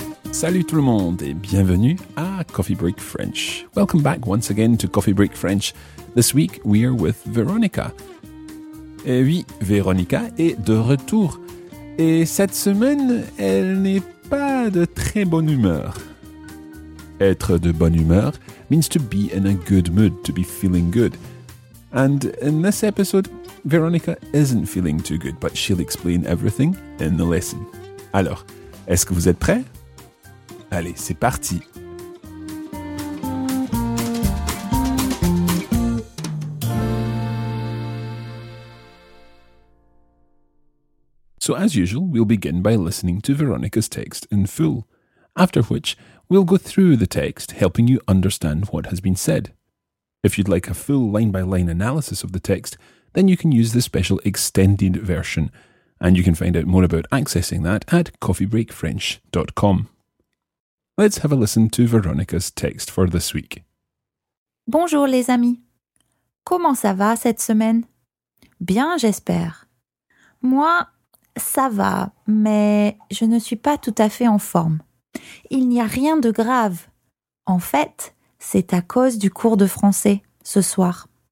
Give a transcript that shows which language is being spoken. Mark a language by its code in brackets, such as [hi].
[fr] Salut tout le monde et bienvenue à Coffee Break French. [en] Welcome back once again to Coffee Break French. This week we are with Veronica. [fr] Et oui, Veronica est de retour. Et cette semaine, elle n'est pas de très bonne humeur. Être de bonne humeur [en] means to be in a good mood, to be feeling good. And in this episode, Veronica isn't feeling too good, but she'll explain everything in the lesson. [fr] Alors, est-ce que vous êtes prêts? Allez, c'est parti! [en] So as usual, we'll begin by listening to Veronica's text in full. After which, we'll go through the text, helping you understand what has been said. If you'd like a full line-by-line analysis of the text, then you can use the special extended version, and you can find out more about accessing that at coffeebreakfrench.com. Let's have a listen to Veronica's text for this week. [fr] Bonjour les amis. Comment ça va cette semaine? Bien, j'espère. Moi, ça va, mais je ne suis pas tout à fait en forme. Il n'y a rien de grave. En fait, c'est à cause du cours de français, ce soir.